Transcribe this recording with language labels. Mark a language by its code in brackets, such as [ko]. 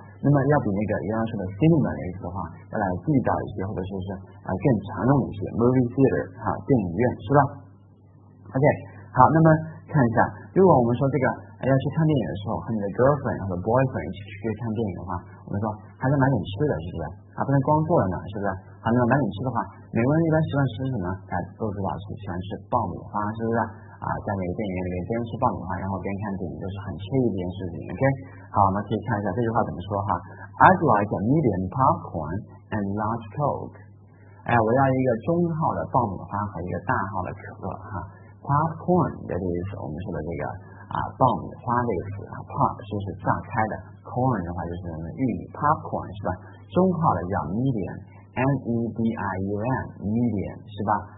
[zh] 那么要比那个原来说的 cinema 的意思的话，要来地道一些，或者说是更常用一些 movie theater 哈，电影院是吧 ？OK， 好，那么看一下，如果我们说这个要去看电影的时候，和你的 girlfriend 或者 boyfriend 一起去看电影的话，我们说还能买点吃的，是不是？还不能光坐着呢，是不是？还能买点吃的话，美国人一般喜欢吃什么？都知道是喜欢吃爆米花，是不是？在那个电影院里面边吃爆米花，然后边看电影，就是很惬意的一件事情。OK， 好，我们可以看一下这句话怎么说哈。 [en] I'd like a medium popcorn and large coke。 [zh] 哎，我要一个中号的爆米花和一个大号的可乐哈。 Popcorn 的这个意思，我们说的这个爆米花这个词啊 ，pop 就是炸开的 ，corn 的话就是玉米 ，popcorn 是吧？中号的叫 medium，M-E-D-I-U-M，medium 是吧？